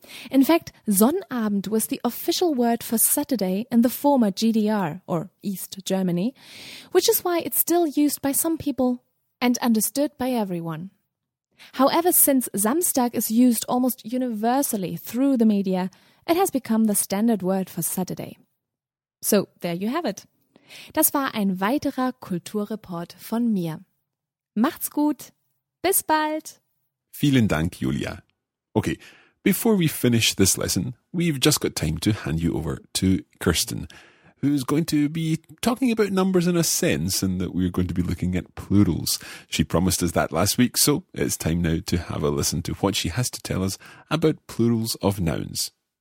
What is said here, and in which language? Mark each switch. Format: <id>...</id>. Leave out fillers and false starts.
<en>In fact, Sonnabend was the official word for Saturday in the former GDR, or East Germany, which is why it's still used by some people and understood by everyone. However, since Samstag is used almost universally through the media, it has become the standard word for Saturday. So, there you have it.</en> <de>Das war ein weiterer Kulturreport von mir. Macht's gut. Bis bald. Vielen Dank, Julia.</de> <en>Okay, before we finish this lesson, we've just got time to hand you over to Kirsten, who's going to be talking about numbers in a sense, and that we're going to be looking at plurals. She promised us that last week, so it's time now to have a listen to what she has to tell us about plurals of nouns.</en>